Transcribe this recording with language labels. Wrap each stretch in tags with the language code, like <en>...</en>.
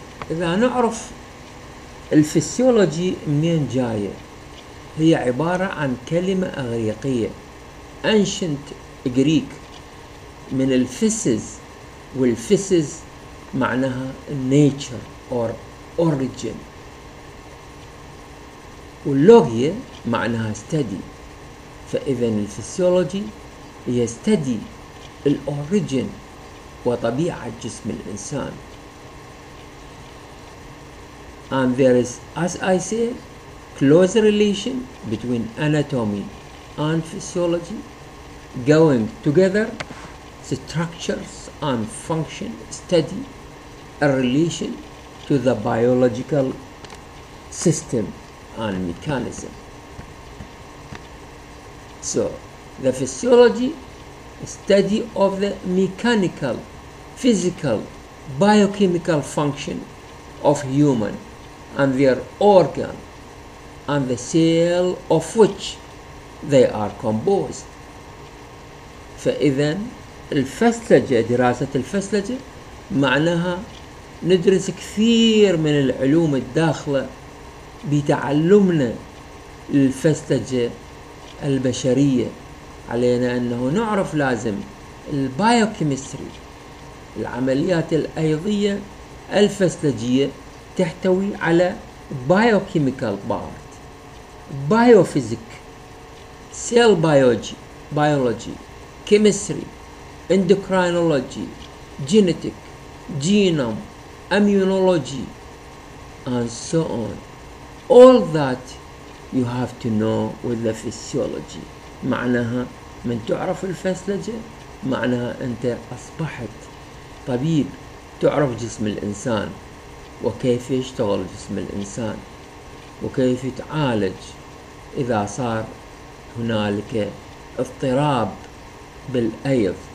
<ar>إذا نعرف الفسيولوجي منين جاية، هي عبارة عن كلمة أغريقية</ar> <en>ancient Greek</en> <ar>من الفسز، والفسز معناها</ar> <en>nature or origin،</en> <ar>واللوغية معناها study. فإذا الفسيولوجي هي study الأوريجين وطبيعة جسم الإنسان.</ar> <en>And there is, as I say, close relation between anatomy and physiology going together, structures and function study a relation to the biological system and mechanism. So, the physiology, study of the mechanical, physical, biochemical function of human and their organ and the cell of which they are composed.</en> <ar>فإذا الفسلجة، دراسة الفسلجة معناها ندرس كثير من العلوم الداخلة بتعلمنا الفسلجة البشرية. علينا أنه نعرف لازم البايوكيمستري، العمليات الأيضية الفسلجية تحتوي على biochemical part، biophysics، cell biology، biology، chemistry، endocrinology، genetic، genome،</ar> <en>immunology and so on. All that you have to know with the physiology.</en> <ar>معناها من تعرف الفسلجة معناها أنت أصبحت طبيب، تعرف جسم الإنسان وكيف يشتغل جسم الإنسان وكيف يتعالج إذا صار هنالك اضطراب بالأيض.</ar>